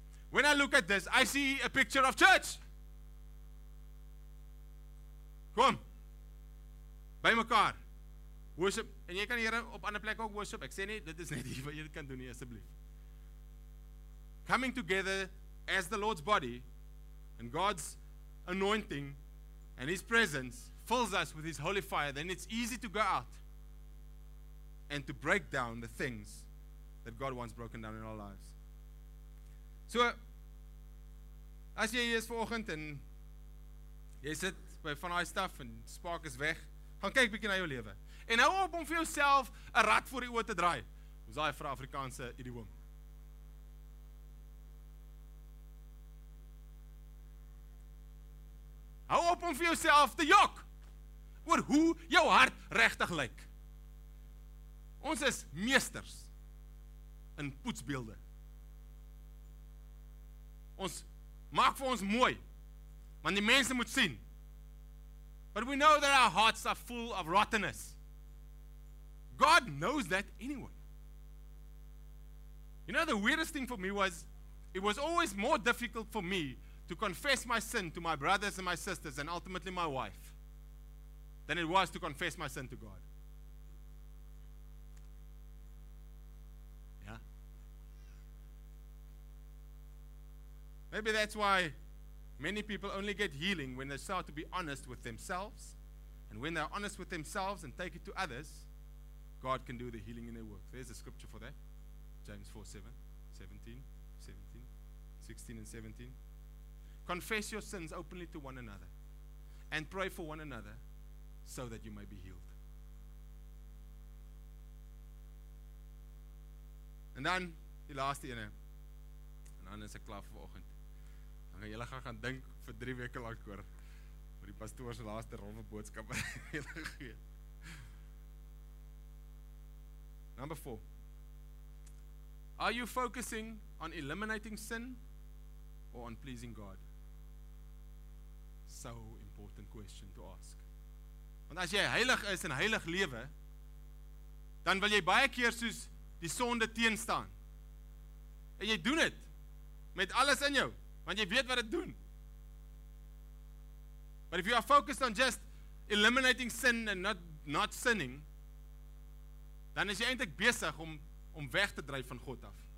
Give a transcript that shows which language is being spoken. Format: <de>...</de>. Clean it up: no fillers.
<en>When I look at this, I see a picture of church.</en> <af>Kom, by mekaar, worship, en jy kan hier op ander plek ook worship, ek sê nie, dit is net hier wat jy kan doen nie, asseblief.</af> <en>Coming together as the Lord's body, and God's anointing, and His presence, fills us with his holy fire, then it's easy to go out and to break down the things that God wants broken down in our lives.</en> <af>So, as jy hier is vanoggend en jy sit by van daai stuff en spark is weg, gaan kyk bietjie na jou lewe. En hou op om vir jouself 'n rad voor die oë te draai. Ons daai vir Afrikaanse idiom. Hou op om vir jouself te jok oor hoe jou hart regtig lyk. Ons is meesters in poetsbeelde. Ons maak vir ons mooi, want die mense moet sien.</af> <en>But we know that our hearts are full of rottenness. God knows that anyway. You know, the weirdest thing for me was, it was always more difficult for me to confess my sin to my brothers and my sisters and ultimately my wife than it was to confess my sin to God. Yeah? Maybe that's why many people only get healing when they start to be honest with themselves. And when they're honest with themselves and take it to others, God can do the healing in their work. There's a scripture for that. James 4:16-17. Confess your sins openly to one another and pray for one another so that you may be healed.</en> <af>En dan, die laaste ene, en dan is ek klaar vir oggend. Dan gaan julle gaan dink vir 3 weke lank oor wat die pastoor se laaste rowwe boodskap aan julle gegee.</af> <en>Number 4. Are you focusing on eliminating sin or on pleasing God? So important question to ask.</en> <af>Want as jy heilig is en heilig lewe, dan wil jy baie keer soos die sonde teenstaan. en jy doen dit met alles in jou, want jy weet wat dit doen.</af> <en>But if you are focused on just eliminating sin and not sinning,</en> <af>dan is jy eintlik besig om weg te dryf van God af.</af>